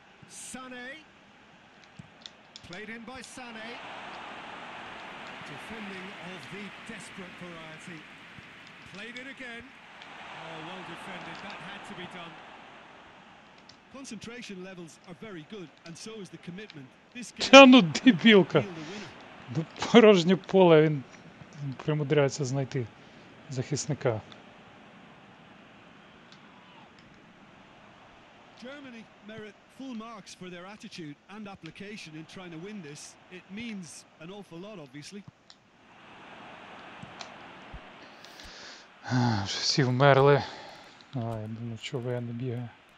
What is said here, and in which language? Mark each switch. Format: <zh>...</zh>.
<en>Sané. Played in by Sané. Defending of the desperate variety. Played it again. Oh, well defended. That had to be done. Concentration levels are very good, and so is the commitment. This game is the winner.</en> <uk>Порожнє поле, він примудряється знайти захисника.</uk> <en>Germany merit full marks for their attitude and application in trying to win this. It means an awful lot, obviously.</en> <uk>Вже всі вмерли. А, я думаю, чого я не бігаю.</uk>